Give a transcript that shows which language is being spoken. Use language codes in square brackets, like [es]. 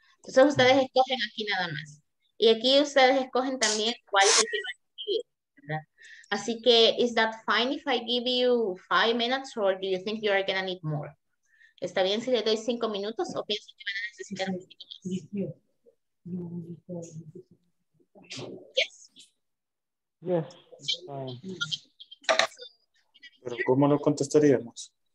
[es] Entonces ustedes escogen aquí nada más. Y aquí ustedes escogen también cuál es el que van a escribir. Así que, [en] is that fine if I give you 5 minutes or do you think you are gonna need more? [es] ¿Está bien si le doy 5 minutos o pienso que van a necesitar un poquito más? ¿Pero cómo lo contestaríamos?